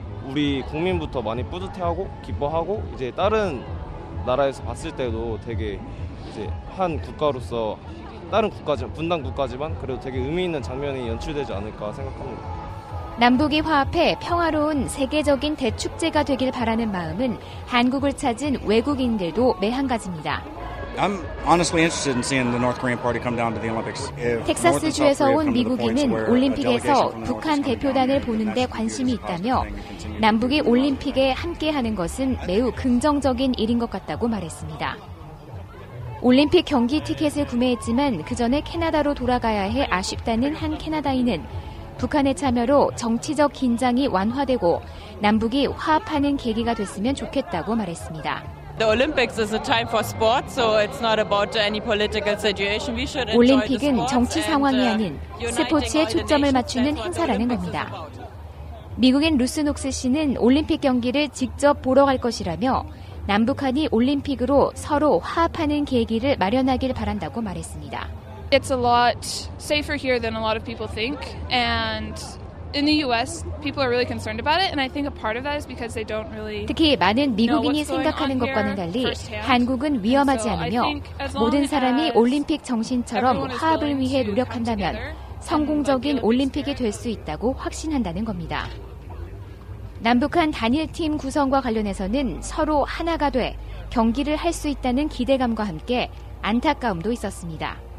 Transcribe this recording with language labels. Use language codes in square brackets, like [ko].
[ko] 우리 국민부터 많이 뿌듯해하고 기뻐하고 이제 다른 나라에서 봤을 때도 되게 이제 한 국가로서 다른 국가지만 분단 국가지만 그래도 되게 의미 있는 장면이 연출되지 않을까 생각합니다. 남북이 화합해 평화로운 세계적인 대축제가 되길 바라는 마음은 한국을 찾은 외국인들도 매한가지입니다. [en] I'm honestly interested in seeing the North Korean party come down to the Olympics. [ko] 텍사스 주에서 온 미국인은 올림픽에서 북한 대표단을 보는데 관심이 있다며 남북이 올림픽에 함께하는 것은 매우 긍정적인 일인 것 같다고 말했습니다. 올림픽 경기 티켓을 구매했지만 그 전에 캐나다로 돌아가야 해 아쉽다는 한 캐나다인은 북한의 참여로 정치적 긴장이 완화되고 남북이 화합하는 계기가 됐으면 좋겠다고 말했습니다. [en] The Olympics is a time for sport, so it's not about any political situation. We should enjoy [ko] 올림픽은 정치 상황이 아닌 스포츠에 초점을 맞추는 행사라는 겁니다. 미국인 루스 녹스 씨는 올림픽 경기를 직접 보러 갈 것이라며 남북한이 올림픽으로 서로 화합하는 계기를 마련하길 바란다고 말했습니다. [en] It's a lot safer here than a lot of people think, and in the US, people are really concerned about it, and I think a part of that is because they don't really. [ko] 특히 많은 미국인이 생각하는 것과는 달리 한국은 위험하지 않으며 모든 사람이 올림픽 정신처럼 화합을 위해 노력한다면 성공적인 올림픽이 될 수 있다고 확신한다는 겁니다. 남북한 단일팀 구성과 관련해서는 서로 하나가 돼 경기를 할 수 있다는 기대감과 함께 안타까움도 있었습니다.